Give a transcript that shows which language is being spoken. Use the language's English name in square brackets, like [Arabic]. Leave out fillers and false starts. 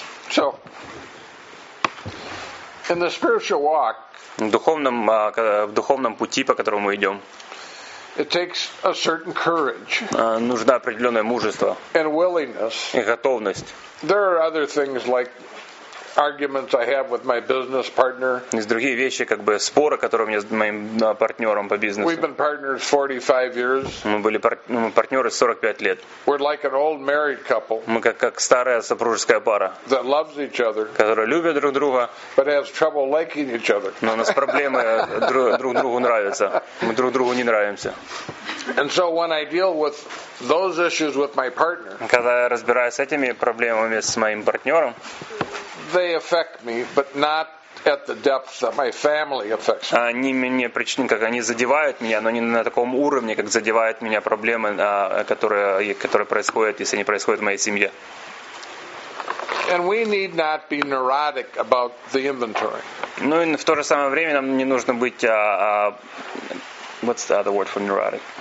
[English] So, in the spiritual walk. [Russian] В духовном пути, по которому мы идем. [English] It takes a certain courage. [Russian] Нужно определенное мужество. [English] And willingness. [Russian] И готовность. [English] There are other things like. Arguments I have with my business partner. [Russian] Есть другие вещи, как бы споры, которые у меня с моим партнером по бизнесу. [English] We've been partners 45 years. [Russian] Мы были партнеры 45 лет. [English] We're like an old married couple. [Russian] Мы как старая супружеская пара. [English] That loves each other. [Russian] Которые любят друг друга. [English] But has trouble liking each other. [Russian] Но у нас проблемы друг другу нравятся. Мы друг другу не нравимся. [English] And so when I deal with those issues with my partner. [Russian] Когда я разбираюсь с этими проблемами с моим партнером. [English] They affect me, but not at the depth that my family affects me. [Russian] Они меня причиняют, как они задевают меня, но не на таком уровне, как задевают меня проблемы, которые происходят, если они происходят в моей семье. [English] And we need not be neurotic about the inventory. [Russian] Ну и в то же самое время нам не нужно быть [English] what's the other word for neurotic?